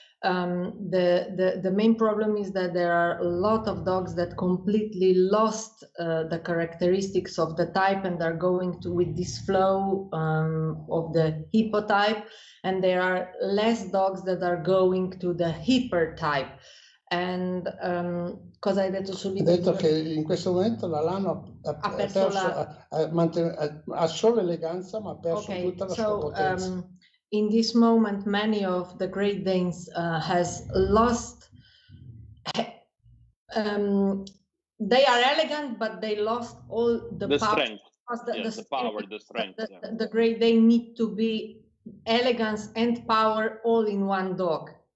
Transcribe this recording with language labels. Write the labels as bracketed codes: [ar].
[en] The main problem is that there are a lot of dogs that completely lost the characteristics of the type and are going to with this flow of the hippotype, and there are less dogs that are going to the hypertype. [it] And cosa hai detto subito? Ha detto che in questo momento l'alano ha solo eleganza, ma ha perso tutta la sua potenza. [en] In this moment, many of the Great Danes has lost. They are elegant, but they lost all the power, the strength. The Great Dane need to be elegance and power all in one dog.